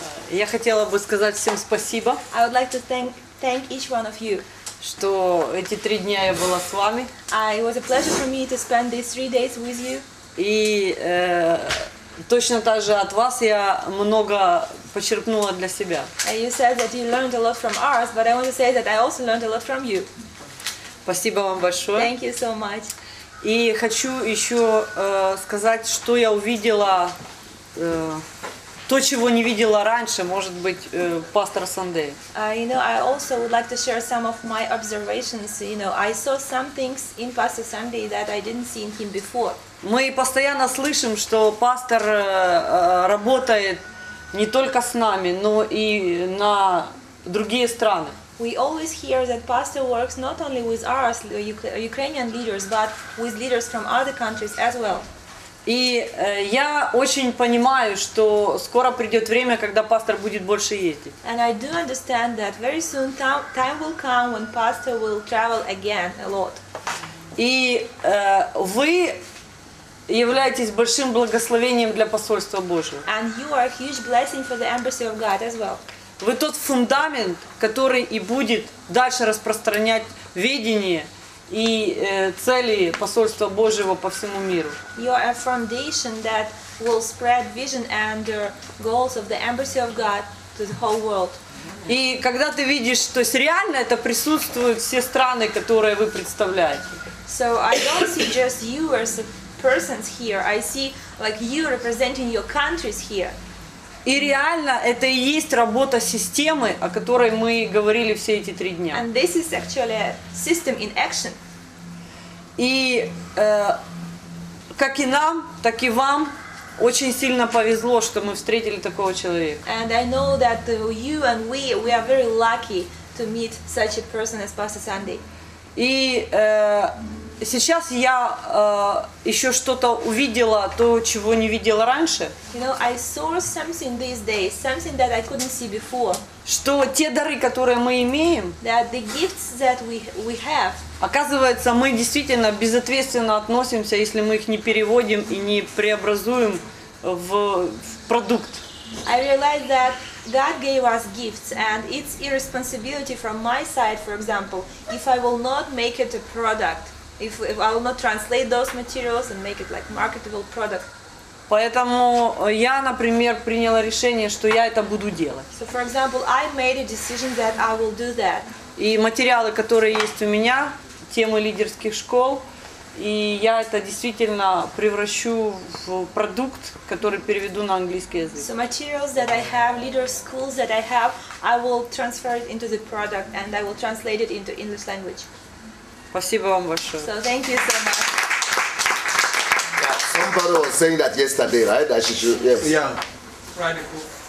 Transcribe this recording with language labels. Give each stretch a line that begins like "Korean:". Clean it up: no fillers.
Russian: Я хотела бы сказать всем спасибо.
English: I would like to thank each one of you.
Russian: Что эти три дня я была с вами.
English: It was a pleasure for me to spend these three days with you.
Russian: И точно так же от вас я много почерпнула для себя.
English: And you said that you learned a lot from us, but I want to say that I also learned a lot from you.
Russian: Спасибо вам большое.
English: Thank you so much.
Russian: И хочу еще сказать, что я увидела, то, чего не видела раньше, может быть, пастор Сандей.
English: You know, I also would like to share some of my observations. You know, I saw some things in Pastor Sandei that I didn't see in him before.
Russian: Мы постоянно слышим, что пастор работает не только с нами, но и на другие страны.
English: We always hear that pastor works not only with us, Ukrainian leaders, but with leaders from other countries as well.
Russian: И я очень понимаю, что скоро придет время, когда пастор будет больше ездить.
English: And I do understand that very soon time will come when pastor will travel again a lot.
Russian: И вы являетесь большим благословением для посольства Божьего.
English: And you are a huge blessing for the embassy of God as well.
Russian: Вы тот фундамент, который и будет дальше распространять видение и цели посольства Божьего по всему миру.
English: You are a foundation that will spread vision and goals of the embassy of God to the whole world.
Russian: И когда ты видишь, то есть реально это присутствуют все страны, которые вы представляете.
English: So I don't see just you as a persons here. I see like you representing your countries here.
Russian: И реально это и есть работа системы, о которой мы говорили все эти три дня.
English: And this is actually a system in action.
Russian: И как и нам, так и вам очень сильно повезло, что мы встретили такого человека.
English: And I know that you and we are very lucky to meet such a person as Pastor Sandei.
Russian: И сейчас я еще что-то увидела, то, чего не видела раньше.
English: You know, I saw something these days, something that I couldn't see before.
Russian: Что те дары, которые мы имеем,
English: that the gifts that we have,
Russian: оказывается, мы действительно безответственно относимся, если мы их не переводим и не преобразуем в продукт.
English: I realized that God gave us gifts, and it's irresponsibility from my side, for example, if I will not make it a product. If I will not translate those materials and make it like marketable product.
Russian: Поэтому я, например, приняла решение, что я это буду делать.
English: So, for example, I made a decision that I will do that.
Russian: И материалы, которые есть у меня, темы лидерских школ, и я это действительно превращу в продукт, который переведу на английский язык.
English: So materials that I have, leader schools that I have, I will transfer it into the product and I will translate it into English language.
Russian: Спасибо вам большое.
English: So thank you so much. Somebody was saying that yesterday, right? That she should, yes. Yeah. Write a book.